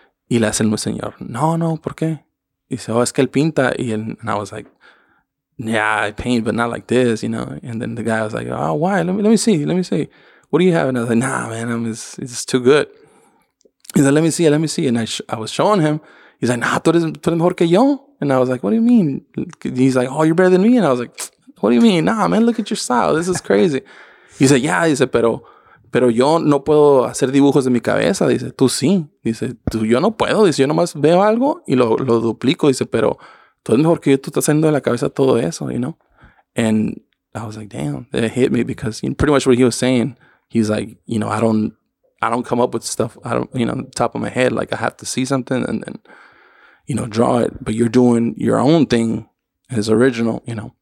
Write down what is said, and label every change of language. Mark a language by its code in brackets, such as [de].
[es] Y le hace el señor, no, ¿por qué? Y dice, oh, es que él pinta. [en] And I was like, yeah, I paint, but not like this, you know. And then the guy was like, oh, why? Let me see. What do you have? And I was like, nah, man, it's too good. He's like, let me see. And I was showing him. He's like, nah, [es] tú eres mejor que yo. [en] And I was like, what do you mean? He's like, oh, you're better than me. And I was like, what do you mean? Nah, man, look at your style. This is crazy. He said, yeah. He said, [es] pero yo no puedo hacer dibujos de mi cabeza. He said, tú sí. [en] He said, [es] tú, yo no puedo. He said, yo nomás veo algo y lo duplico. [en] He said, [es] pero tú eres mejor que yo. Tú estás haciendo de la cabeza todo eso, [en] you know? And I was like, damn, that hit me, because pretty much what he was saying, he's like, you know, I don't come up with stuff, I don't, you know, top of my head. Like, I have to see something and then, you know, draw it. But you're doing your own thing as original, you know.